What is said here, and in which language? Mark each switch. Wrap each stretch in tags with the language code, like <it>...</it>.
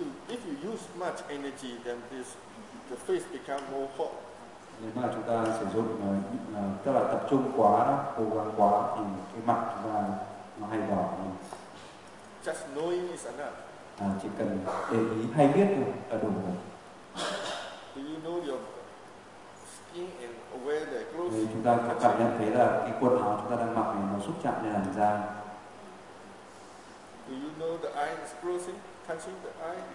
<en>If you use much energy, then this the face become more hot.</en> <vi>Nếu mà chúng ta sử dụng tức là tập trung quá, cố gắng quá thì cái mặt chúng ta nó hay đỏ.</vi> <en>Just knowing is enough.</en> <vi>Chỉ cần để ý hay biết thôi là đủ rồi.</vi> <en>Do you know your skin and aware the clothes?</en> <vi>Thì chúng ta có cảm nhận thấy là cái quần áo chúng ta đang mặc này nó xúc chạm lên làn da.</vi> <en>Do Do you know the eye is closing, touching the eye?</en>